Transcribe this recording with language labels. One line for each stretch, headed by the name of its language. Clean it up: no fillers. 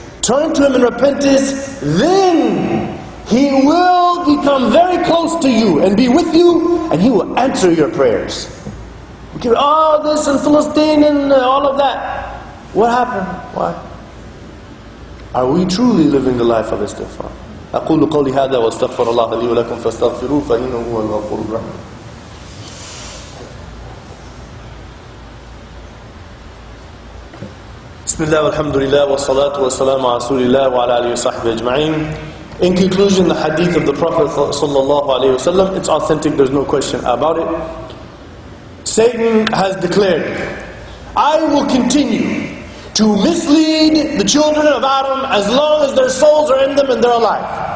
English: Turn to Him in repentance. Then He will become very close to you and be with you, and He will answer your prayers. Okay, oh, this and Philistine and all of that. What happened? Why? Are we truly living the life of istighfar?
Arabic: أقول قولي هذا واستغفر الله لي ولكم فاستغفروه فإنه هو الغفور الرحيم. بسم الله والحمد لله والصلاة والسلام على رسول الله وعلى آله وصحبه أجمعين.
English: In conclusion, the hadith of the Prophet sallallahu alaihi wasallam, it's authentic, there's no question about it. Satan has declared, I will continue to mislead the children of Adam as long as their souls are in them and they're alive.